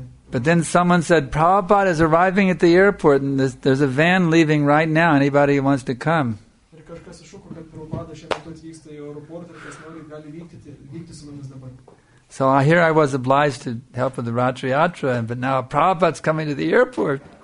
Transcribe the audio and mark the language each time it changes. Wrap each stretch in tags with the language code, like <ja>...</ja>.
<en>But then someone said, Prabhupada is arriving at the airport and there's a van leaving right now. Anybody who wants to come?</en> <lt>Kažkas iššūko, kad Prabhupada šiandien pat vyksta į aeroportą ir kas nori, gali vykti su mumis dabar.</lt> <en>So here I was obliged to help with the Ratri Yatra, but now Prabhupada's coming to the airport.</en>